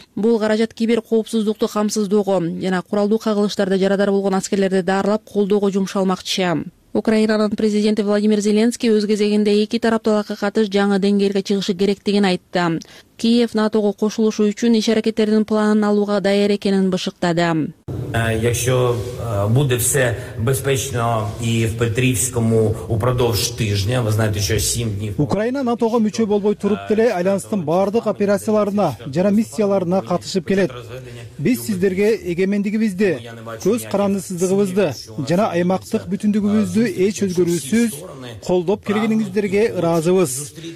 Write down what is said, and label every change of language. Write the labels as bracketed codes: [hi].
[ky] Бул каражат кибер коопсуздукту камсыздоого жана куралдуу кагылыштарда жарадар болгон аскерлерди даарлап колдоого жумшалмакчы. Украинанын президенти Владимир Зеленский өз кезегинде эки тараптуу алака катыш жаңы деңгээлге чыгышы керектигин айтты. Киев НАТОго кошулушу үчүн иш аракеттеринин планын алууга даяр экенин бышыктады. [uk] Якщо буде все безпечно і в Петрівському упродовж тижня, ви знаєте, що 7 днів. [ky] Украина НАТОго мүчө болбой туруп деле альянстын баардык операцияларына жана миссияларына катышып келет. Биз сиздерге эгемендигибизди, көз карандысыздыгыбызды жана аймактык бүтүндүгүбүздү эч өзгөрүүсүз колдоп келгениңиздерге ыраазыбыз.